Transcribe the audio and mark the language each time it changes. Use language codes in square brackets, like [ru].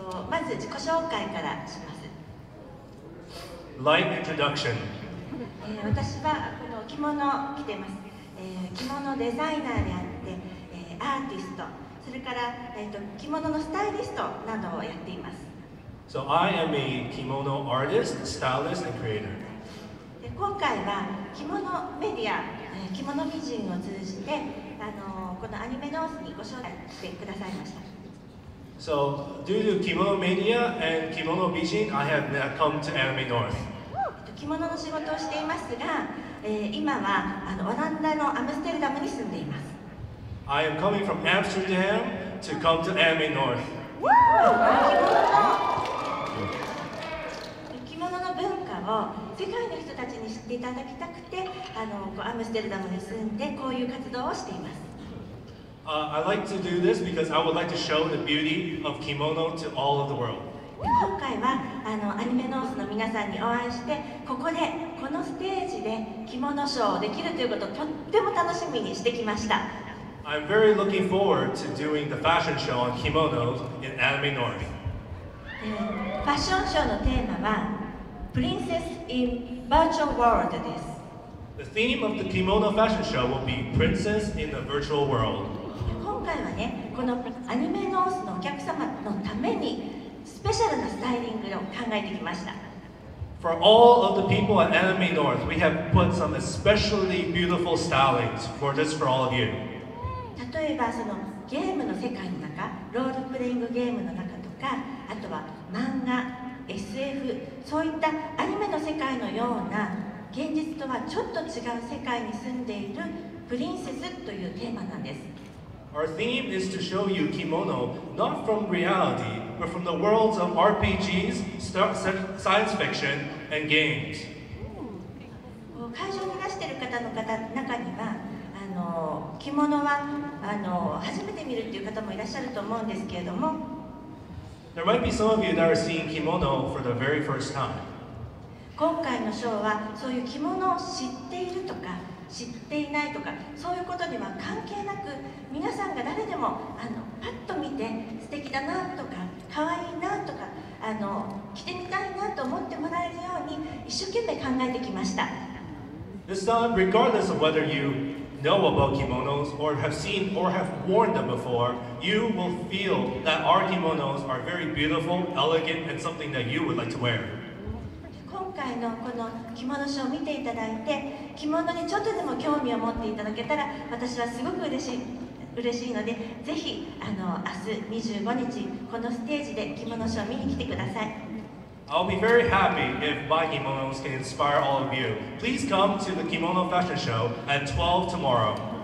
[ja] まず自己紹介からします。 [en] Light introduction. [ja] 私はこの着物を着てます。着物デザイナーであって、アーティスト、それから、着物のスタイリストなどをやっています。 [en] So I am a kimono artist, stylist, and creator. [ja] 今回は着物メディア、着物美人を通じて、このアニメノースにご紹介してくださいました。 [en] So, due to Kimono Media and Kimono Bijin, I have now come to Anime North. [ja] Kimono の仕事をしていますが、今はオランダのアムステルダムに住んでいます。 [en] I am coming from Amsterdam to come to Anime North. [ja] Kimono の文化を世界の人たちに知っていただきたくて、アムステルダムに住んでこういう活動をしています。 [en] I like to do this because I would like to show the beauty of kimono to all of the world. [ja] 今回はアニメノースの皆さんにお会いして、ここでこのステージで着物ショーをできるということをとっても楽しみにしてきました。 [en] I'm very looking forward to doing the fashion show on kimono in Anime North. [ja] ファッションショーのテーマは Princess in Virtual World です。 [en] The theme of the kimono fashion show will be Princess in the Virtual World. [ja] 今回はね、このアニメノースのお客様のためにスペシャルなスタイリングを考えてきました。 [en] For all of the people at Anime North, we have put some especially beautiful stylings for just for all of you. [ja] 例えばそのゲームの世界の中、ロールプレイングゲームの中とか、あとは漫画、SF、そういったアニメの世界のような現実とはちょっと違う世界に住んでいるプリンセスというテーマなんです。 [en] Our theme is to show you kimono not from reality, but from the worlds of RPGs, science fiction, and games. [ja] 会場にいらしている方の中には、着物は初めて見るっていう方もいらっしゃると思うんですけれども。 [en] There might be some of you that are seeing kimono for the very first time. [ja] 今回のショーはそういう着物を知っているとか、知っていないとかそういうことには関係なく皆さんが誰でもパッと見て素敵だなとか可愛いなとか着てみたいなと思ってもらえるように一生懸命考えてきました。 [en] This time, regardless of whether you know about kimonos or have seen or have worn them before, you will feel that our kimonos are very beautiful, elegant, and something that you would like to wear. [ja] 今回のこの着物ショーを見ていただいて、着物にちょっとでも興味を持っていただけたら、私はすごく嬉しいので、ぜひ明日25日、このステージで着物ショーを見に来てください。 [en] I'll be very happy if my kimonos can inspire all of you. Please come to the kimono fashion show at 12 tomorrow.